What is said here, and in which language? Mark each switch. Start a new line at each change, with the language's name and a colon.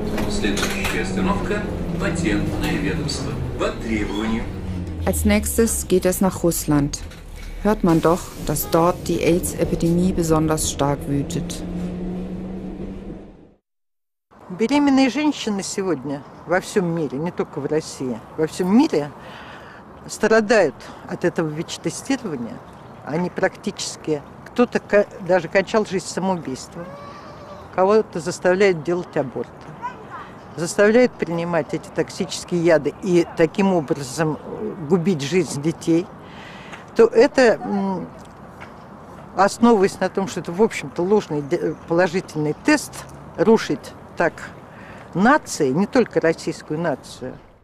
Russian: Следующая остановка – патентное ведомство. По требованию.
German: Als nächstes geht es nach Russland. Hört man doch, dass dort die AIDS-Epidemie besonders stark wütet.
Russian: Беременные женщины сегодня во всем мире, не только в России, во всем мире страдают от этого ВИЧ-тестирования. Они практически, кто-то даже кончал жизнь самоубийством, кого-то заставляют делать аборт, заставляют принимать эти токсические яды и таким образом губить жизнь детей, то это, основываясь на том, что это, в общем-то, ложный положительный тест, рушит так нации, не только российскую нацию.